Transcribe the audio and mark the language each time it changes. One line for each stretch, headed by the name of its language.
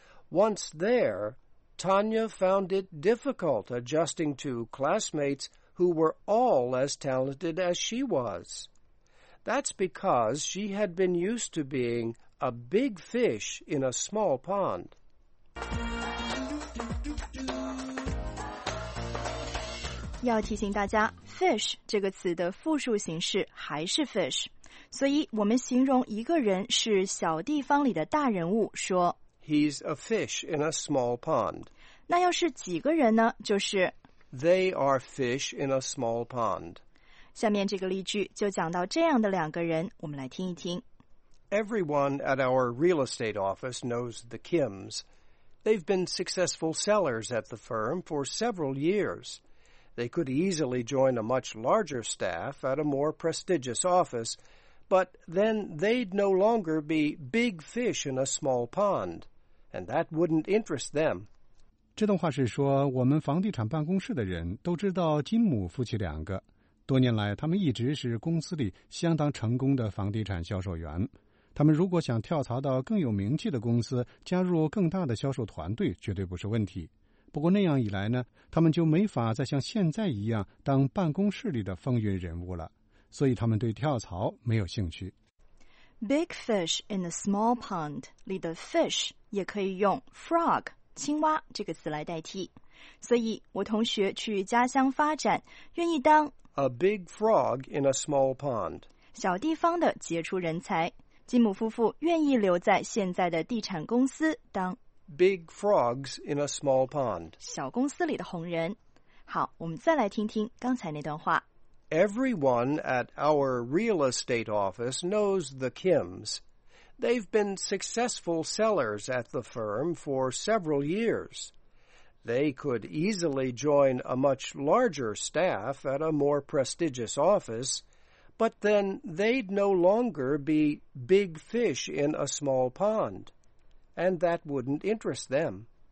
English: Once there, Tanya found it difficult adjusting to classmates who were all as talented as she was. That's because she had been used to being a big fish in a small pond.
Chinese: 要提醒大家 ,fish 这个词的复数形式还是 fish, 所以我们形容一个人是小地方里的大人物说
English: He's a fish in a small pond.
Chinese: 那要是几个人呢就是
English: They are fish in a small pond.
Chinese: 下面这个例句就讲到这样的两个人，我们来听一听。
English: Everyone at our real estate office knows the Kims. They've been successful sellers at the firm for several years. They could easily join a much larger staff at a more prestigious office, but then they'd no longer be big fish in a small pond, and that wouldn't interest them.
Chinese: 这段话是说，我们房地产办公室的人都知道金姆夫妻两个。多年来，他们一直是公司里相当成功的房地产销售员。他们如果想跳槽到更有名气的公司，加入更大的销售团队，绝对不是问题。不过那样一来呢，他们就没法再像现在一样当办公室里的风云人物了。所以他们对跳槽没有兴趣。
English: Big fish in a small pond
Chinese: 里的 fish 也可以用 frog 青蛙这个词来代替。所以我同学去家乡发展，愿意当
English: A big frog in a small pond.
Chinese: 小地方的杰出人才，金姆夫妇愿意留在现在的地产公司当
English: big frogs in a small pond.
Chinese: 小公司里的红人。好，我们再来听听刚才那段话。
English: Everyone at our real estate office knows the Kims. They've been successful sellers at the firm for several years. They could easily join a much larger staff at a more prestigious office, but then they'd no longer be big fish in a small pond, and that wouldn't interest them.